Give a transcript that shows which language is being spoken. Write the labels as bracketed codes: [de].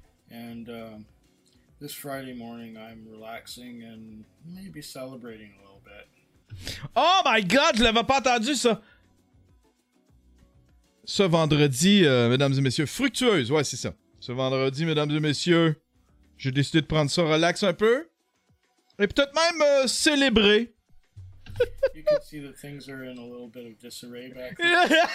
[en] And, this Friday morning, I'm relaxing and maybe celebrating a little bit. [fr] Oh my God, je l'avais pas entendu, ça! Ce vendredi, mesdames et messieurs, fructueuse, ouais, c'est ça. Ce vendredi, mesdames et messieurs, j'ai décidé de prendre ça relax un peu. Et peut-être même célébrer. [en] You can see that things are in a little bit of disarray back there.